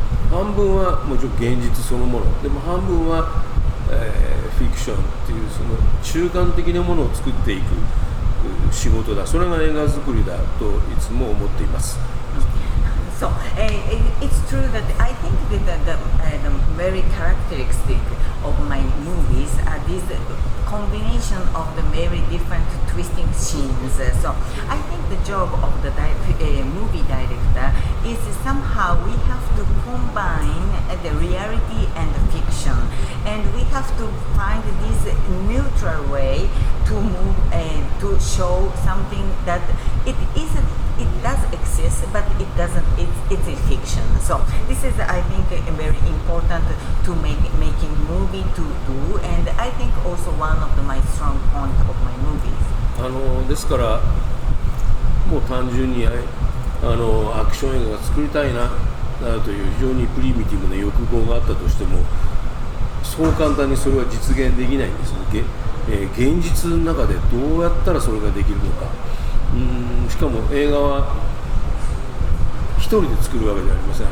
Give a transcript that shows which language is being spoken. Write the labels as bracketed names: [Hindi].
[Japanese] 半分はもちろん現実そのものでも、半分は、フィクションっていうその中間的なものを作っていく仕事だ。それが映画作りだといつも思っています。 [English] So, it's true that I think that the very characteristic of my movies are these combination of the very different twisting scenes. So I think the job of the movie director is somehow we have to combine the reality and the fiction, and we have to find this neutral way to move and to show something that it is a it does exist, but it doesn't. It's a fiction. So this is, I think, a very important to making movie to do, and I think also one of my strong point of my movies. [Japanese] ですから、もう単純にアクション映画を作りたいなという非常にプリミティブな欲望があったとしても、そう簡単にそれは実現できないんですね。現実の中でどうやったらそれができるのか。しかも映画は一人で作るわけじゃありません。